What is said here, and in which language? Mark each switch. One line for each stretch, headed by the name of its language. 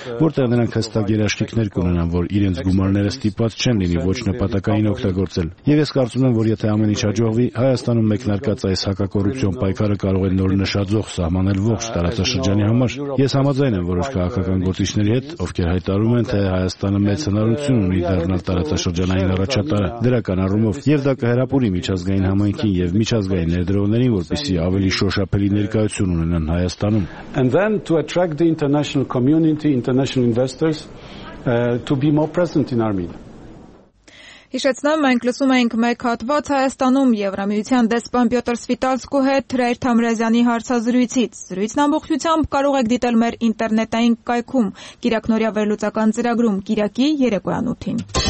Armenian: որտեղ նրանք հստակ երաշխիքներ կունենան, որ իրենց գումարները ստիպած չեն լինի ոչ նպատակային օգտագործել։ Եվ ես կարծում եմ, որ եթե ամեն ինչ հաջողվի, Հայաստանում մեկնարկած այս հակակոռուպցիոն պայքարը կարող է նոր նշաձող սահմանել ողջ տարածաշրջանի համար։ Ես համաձայն եմ որոշ քաղաքական գործիչների հետ, ովքեր հայտարարում են, թե Հայաստանը մեծ հնարություն ունի դառնալ տարածաշրջանային առաջատարը դրական առումով, և դա կհերապուրի միջազգային համայնքին և միջազգային ներդրողներին, որպիսի ավելի շոշափելի ներկայություն ունենան Հայաստանում։
English: And then to attract the international community, international investors, to be more present in Armenia.
Armenian: Հիշեցնեմ, մենք լսում էինք մեկ հատված Հայաստանում Եվրամիության դեսպան Պյոտր Սվիտալսկու հետ Թրեր Թամրազյանի հարցազրույցից։ Զրույցն ամբողջությամբ կարող եք դիտել մեր ինտերնետային կայքում՝ Կիրակնորյա վերլուծական ծրագրում, կիրակի 3:08-ին։